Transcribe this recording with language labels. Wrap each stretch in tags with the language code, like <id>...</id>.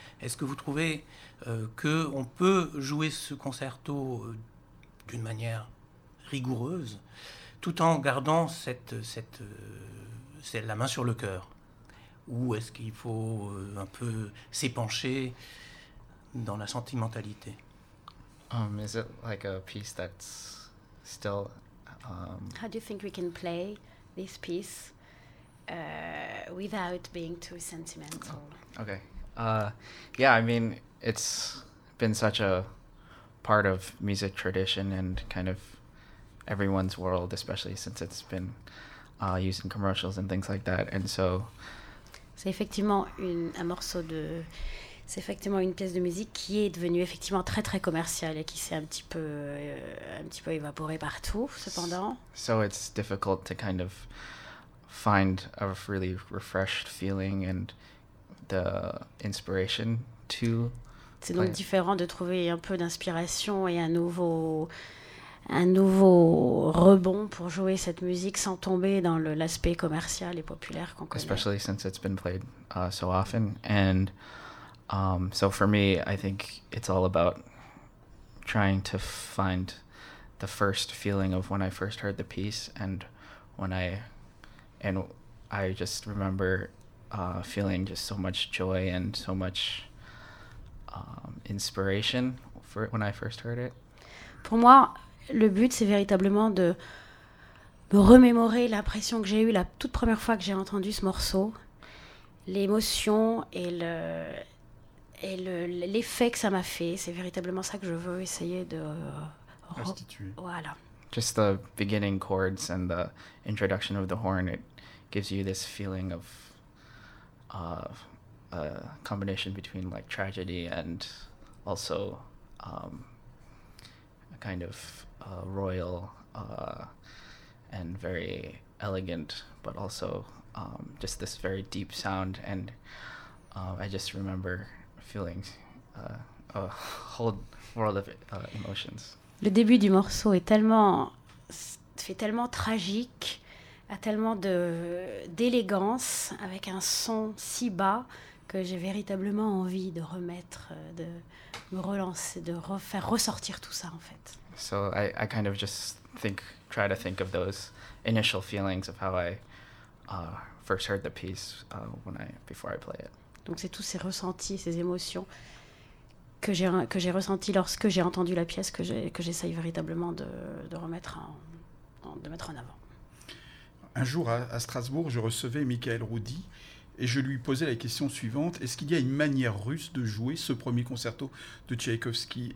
<fr>Est-ce que vous trouvez qu'on peut jouer ce concerto d'une manière rigoureuse, tout en gardant cette la main sur le cœur? Ou est-ce qu'il faut un peu s'épancher dans la sentimentalité?</fr> <en>Is it like a piece that's still... How do you think we can play this piece without being too sentimental? Okay. I mean, it's been such a part of music tradition and kind of everyone's world, especially since it's been used in commercials and things like that. And so,</en> <fr>c'est effectivement une pièce de musique qui est devenue effectivement très très commerciale et qui s'est un petit peu évaporée partout. Cependant,</fr> <en>so it's difficult to kind of find a really refreshed feeling and the inspiration to</en> <fr>c'est donc différent de trouver un peu d'inspiration et un nouveau rebond pour jouer cette musique sans tomber dans l'aspect commercial et populaire qu'on connaît.</fr> <en>Especially since it's been played so often, and so for me, I think it's all about trying to find the first feeling of when I first heard the piece and when I, and I just remember feeling just so much joy and so much inspiration for when I first heard it.</en> <fr>Pour moi, le but, c'est véritablement de me remémorer l'impression que j'ai eue la toute première fois que j'ai entendu ce morceau, l'émotion et le... Et l'effet que ça m'a fait, c'est véritablement ça que je veux essayer de restituer. Voilà.</fr> <en>Just the beginning chords and the introduction of the horn, it gives you this feeling of a combination between like tragedy and also a kind of royal and very elegant, but also just this very deep sound. And I just remember feelings, a whole world of emotions.</en> <fr>Le début du morceau est tellement, fait tellement tragique, a tellement de d'élégance avec un son si bas que j'ai véritablement envie de remettre, de me relancer, de refaire ressortir tout ça en fait.</fr> <en>So I kind of just think, try to think of those initial feelings of how I first heard the piece before I play it.</en> <fr>Donc c'est tous ces ressentis, ces émotions que j'ai ressenti lorsque j'ai entendu la pièce que j'ai, que j'essaye véritablement de remettre en, de mettre en avant. Un jour à Strasbourg, je recevais Michael Roudy et je lui posais la question suivante: est-ce qu'il y a une manière russe de jouer ce premier concerto de Tchaïkovski?</fr>